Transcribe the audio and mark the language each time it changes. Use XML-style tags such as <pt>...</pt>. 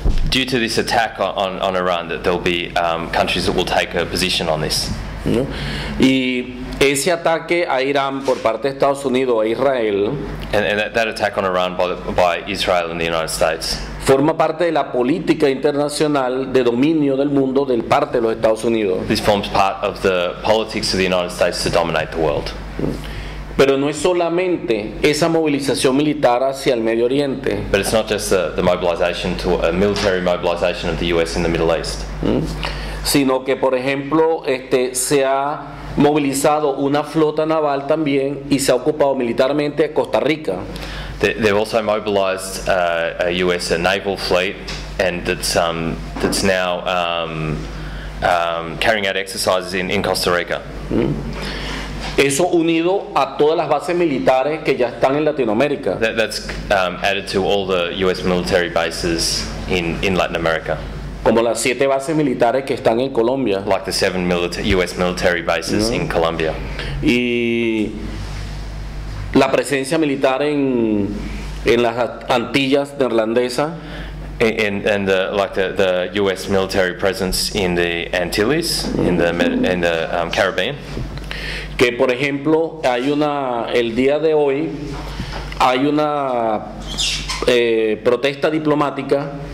<en>Due to this attack on Iran, that there'll be countries that will take a position on this.</en> <es>Y Ese ataque a Irán por parte de Estados Unidos e Israel,</es> <en>and that attack on Iran by Israel and the United States,</en> <es>forma parte de la política internacional de dominio del mundo del parte de los Estados Unidos.</es> <en>This forms part of the politics of the United States to dominate the world.</en> <es>Pero no es solamente esa movilización militar hacia el Medio Oriente.</es> <en>But it's not just the mobilization to a military mobilization of the U.S. in the Middle East.</en> <es>Sino que, por ejemplo, se ha movilizado una flota naval también y se ha ocupado militarmente de Costa Rica.</es> <en>They've also mobilized a U.S. a naval fleet, and that's now carrying out exercises in Costa Rica.</en> <es>Eso unido a todas las bases militares que ya están en Latinoamérica.</es> <en>That's added to all the U.S. military bases in Latin America.</en> <es>Como las 7 bases militares que están en Colombia.</es> <en>Like the 7 U.S. military bases in Colombia.</en> <es>Y la presencia militar en las Antillas neerlandesas.</es> <en>And the, like the U.S. military presence in the Antilles, in the Caribbean.</en> <es>Que por ejemplo hay una, el día de hoy hay una protesta diplomática.</es>